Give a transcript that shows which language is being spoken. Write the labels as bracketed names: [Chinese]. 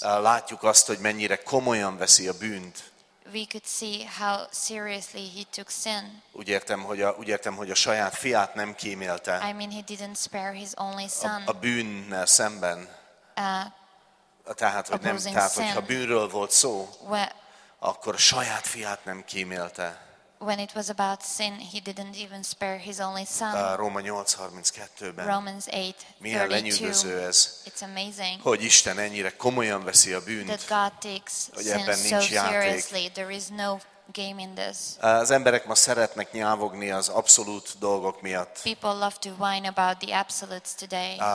[Hungarian] Látjuk azt, hogy mennyire komolyan veszi a bűnt. [English] We could see how seriously he took sin. [Hungarian] Úgy értem, hogy a saját fiát nem kímélte. [English] I mean, he didn't spare his only son. [Hungarian] A bűnnel szemben. Tehát, hogyha bűnről volt szó, akkor saját fiát nem kímélte. [English] When it was about sin, he didn't even spare his only son. [Hungarian] Róma 8:32-ben. [English] Romans 8:32. [Hungarian] Milyen lenyűgöző ez. [English] It's amazing. [Hungarian] Hogy Isten ennyire komolyan veszi a bűnt. [English] That God takes sin so seriously. There is no game in this. [Hungarian] Az emberek ma szeretnek nyávogni az abszolút dolgok miatt. [English] People love to whine about the absolutes today.